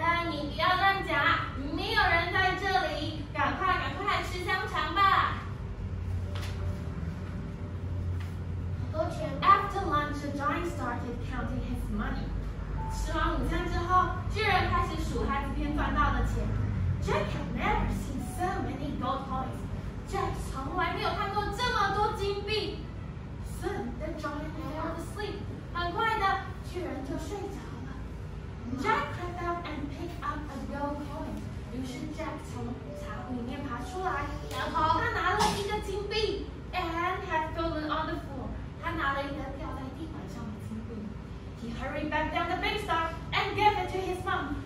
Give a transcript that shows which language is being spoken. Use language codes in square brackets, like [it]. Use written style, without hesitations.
[zh] 你不要乱讲，没有人在这里，赶快来吃香肠吧。 [en] After lunch, the giant started counting his money. [zh] 吃完午餐之后，巨人开始数他今天赚到的钱。 [en] Jack had never seen so many gold coins. [zh] Jack 从来没有看过这么多金币。 [en] Soon, the giant fell asleep. [zh] 很快的，巨人就睡着。 [en] Jack crept out and picked up a gold coin. [zh] 于是 Jack 从茶壶里面爬出来，然后他拿了一个金币 [en] ，and had fallen on the floor. [zh] 他拿了一个掉在地板上的金币。 [en] He hurried back down the big star and gave it to his mom.